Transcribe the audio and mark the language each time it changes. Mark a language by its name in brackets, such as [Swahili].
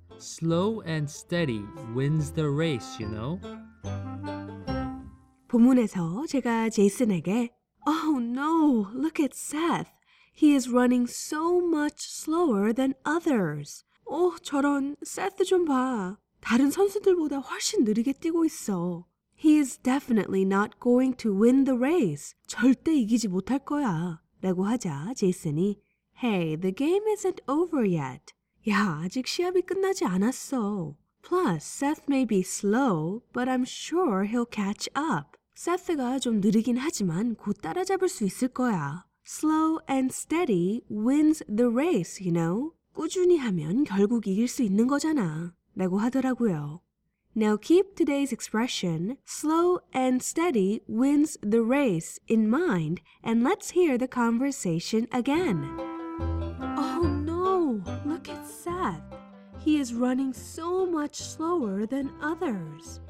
[English] Slow and steady wins the race, you know? [Korean] 본문에서 제가 제이슨에게 [English] Oh no, look at Seth. He is running so much slower than others. [Korean] 저런 세트 좀 봐. 다른 선수들보다 훨씬 느리게 뛰고 있어. [English] He is definitely not going to win the race. [Korean] 절대 이기지 못할 거야. 라고 하자 제이슨이 [English] Hey, the game isn't over yet. [Korean] 야, 아직 시합이 끝나지 않았어. [English] Plus, Seth may be slow, but I'm sure he'll catch up. [Korean] 세트가 좀 느리긴 하지만 곧 따라잡을 수 있을 거야. [English] Slow and steady wins the race, you know? [Korean] 꾸준히 하면 결국 이길 수 있는 거잖아. 라고 하더라고요. [English] Now keep today's expression, slow and steady wins the race, in mind, and let's hear the conversation again. Oh no, look at Seth. He is running so much slower than others.